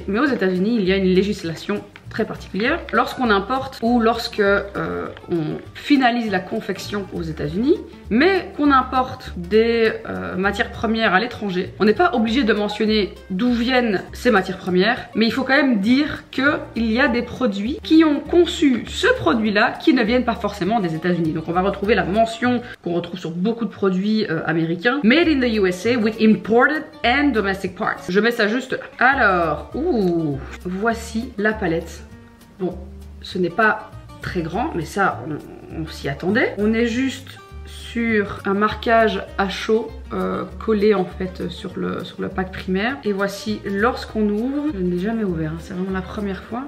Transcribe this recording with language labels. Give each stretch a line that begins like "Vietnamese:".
French: Mais aux États-Unis, il y a une législation très particulière. Lorsqu'on importe ou lorsque on finalise la confection aux États-Unis, mais qu'on importe des matières premières à l'étranger, on n'est pas obligé de mentionner d'où viennent ces matières premières, mais il faut quand même dire qu'il y a des produits qui ont conçu ce produit-là qui ne viennent pas forcément des États-Unis. Donc on va retrouver la mention qu'on retrouve sur beaucoup de produits américains.
English: Made in the USA with imported and domestic parts.
French: Je mets ça juste là. Alors, voici la palette. Bon, ce n'est pas très grand, mais ça, on s'y attendait. On est juste sur un marquage à chaud collé en fait sur le pack primaire. Et voici lorsqu'on ouvre. Je ne l'ai jamais ouvert, hein. C'est vraiment la première fois.